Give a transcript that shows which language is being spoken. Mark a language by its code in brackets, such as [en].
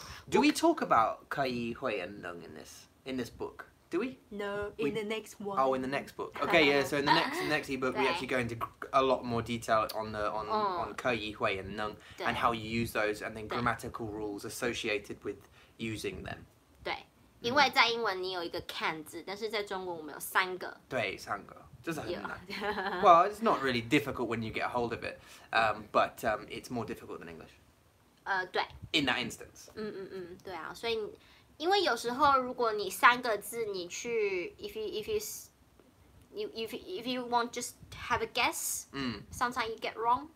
[en] Do we talk about 可以、会、and 能 in this book? Do we? No, in the next one. Oh, in the next book. Okay, yeah, so in the next ebook, we actually go into a lot more detail on 可以、会、and 能 and how you use those and then grammatical rules associated with using them. [zh] 因为在英文你有一个 can 字，但是在中国我们有三个。对，三个，这是很难。 [en] Well, it's not really difficult when you get a hold of it, but it's more difficult than English. [zh] 对。 [en] In that instance. [zh] 对啊，所以因为有时候如果你三个字你去 [en] if you want just have a guess, [zh] sometimes you get wrong.